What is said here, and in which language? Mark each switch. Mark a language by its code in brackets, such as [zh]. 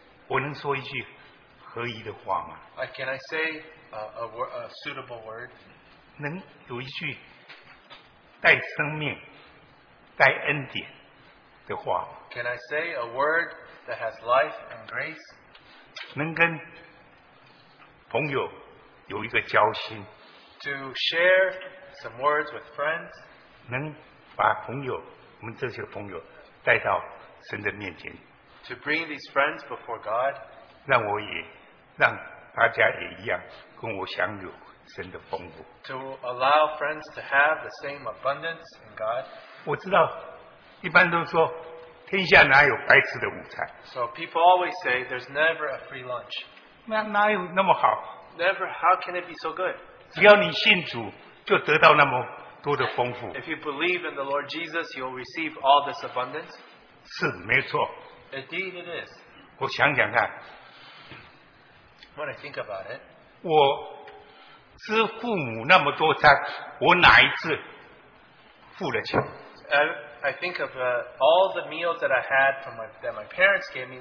[zh] 我能说一句合宜的话吗? [en] Can I say a suitable word? [zh] 能有一句带生命、带恩典的话吗? [en] Can I say a word that has life and grace? [zh] 能跟朋友有一个交心? [en] To share some words with friends? [zh] 能把朋友我们这些朋友带到神的面前 [en] to bring these friends before God [zh] 让我也让大家也一样跟我享有神的丰富 [en] to allow friends to have the same abundance in God [zh] 我知道一般都说天下哪有白吃的午餐 [en] so people always say there's never a free lunch [zh] 哪有那么好 [en] never how can it be so good [zh] 只要你信主就得到那么多的丰富。 [en] If you believe in the Lord Jesus, you'll receive all this abundance. [zh] 是，没错。 [en] Indeed, it is. [zh] 我想想看。 [en] When I think about it, [zh] 我吃父母那么多餐，我哪一次付了钱 [en] ？I think of all the meals that I had from that my parents gave me.